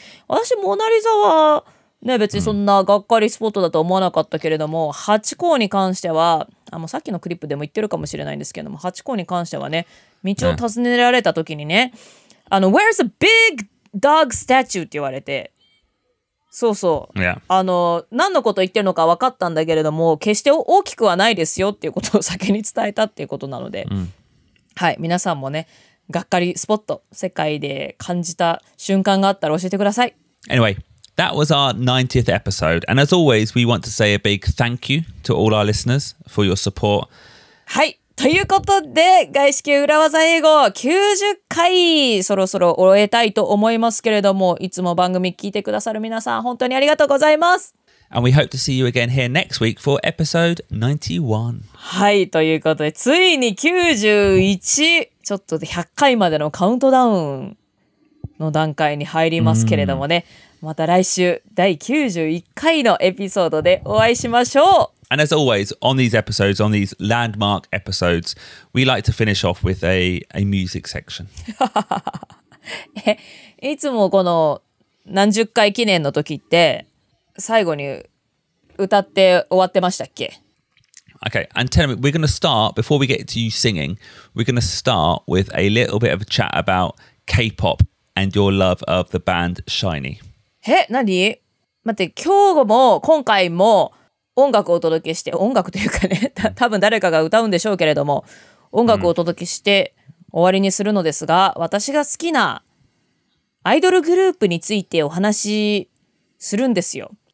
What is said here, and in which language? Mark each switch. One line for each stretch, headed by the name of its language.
Japanese: 私モナリザはね別にそんながっかりスポットだと思わなかったけれども、ハチ公に関してはもうさっきのクリップでも言ってるかもしれないんですけども、ハチ公に関してはね道を尋ねられた時にね、
English: Where's a big dog statue
Japanese: って言われて。そうそう、
English: yeah.
Japanese: 何のこと言ってるのか分かったんだけれども決して大きくはないですよっていうことを先に伝えたっていうことなので、はい、皆さんもねがっかりスポット世界で感じた瞬間があったら教えてください。
English: Anyway, that was our 90th episode and as always we want to say a big thank you to all our listeners for your support.
Japanese: はい、ということで外資系裏技英語90回そろそろ終えたいと思いますけれどもいつも番組聞いてくださる皆さん本当にありがとうございます。
English: And we hope to see you again here next week for episode 91.
Japanese: はい、ということでついに91ちょっとで100回までのカウントダウンの段階に入りますけれどもね、また来週第91回のエピソードでお会いしましょう。
English: And as always, on these episodes, on these landmark episodes, we like to finish off with a music section.
Japanese: いつもこの何十回記念の時って最後に歌って終わってましたっけ?
English: Okay, and tell me, we're going to start, before we get to you singing, we're going to start with a little bit of a chat about K-pop and your love of the band SHINee.
Japanese: え、何? 待って、今日も今回も音楽をお届けして、音楽というかね、多分誰かが歌うんでしょうけれども、音楽をお届けして終わりにするのですが、私が好きなアイドルグループについてお話しするんですよ。